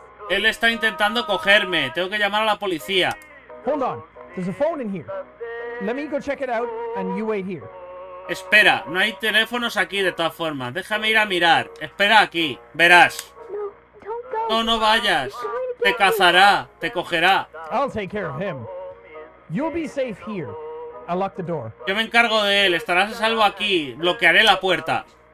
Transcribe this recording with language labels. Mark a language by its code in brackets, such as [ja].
[es] Él está intentando cogerme. Tengo que llamar a la policía. [en] Hold on. There's a phone in here. Let me go check it out and you wait here. [es] Espera, no hay teléfonos aquí de todas formas. Déjame ir a mirar. Espera aquí, verás. No, no vayas. Te cazará, te cogerá. [en] I'll take care of him. You'll be safe here. I'll lock the door. [es] Yo me encargo de él. Estarás a salvo aquí. Bloquearé la puerta.